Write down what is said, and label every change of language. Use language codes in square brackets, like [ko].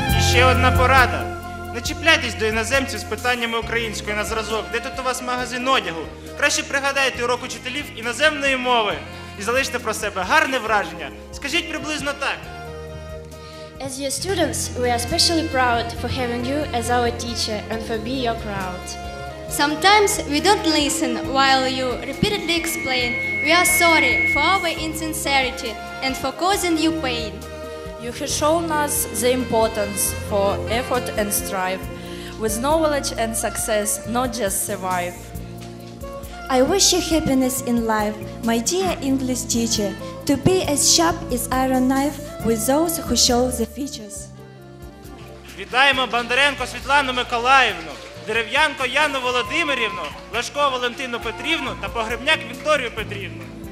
[uk] Ще одна порада. Не чіпляйтесь до іноземців з питаннями української на зразок. Де тут у вас магазин одягу? Краще пригадайте урок учителів іноземної мови і залиште про себе гарне враження. Скажіть приблизно так. [en] As your students, we are especially proud for having you as our teacher and for being your crowd. Sometimes we don't listen while you repeatedly explain. We are sorry for our insincerity and for causing you pain. You have shown us the importance for effort and strive, with knowledge and success, not just survive. I wish you happiness in life, my dear English teacher, to be as sharp as iron knife with those who show the features. [uk] Вітаємо Бондаренко Світлану Миколаївну, Дерев'янко Яну Володимирівну, Лашко Валентину Петрівну та Погребняк Вікторію Петрівну.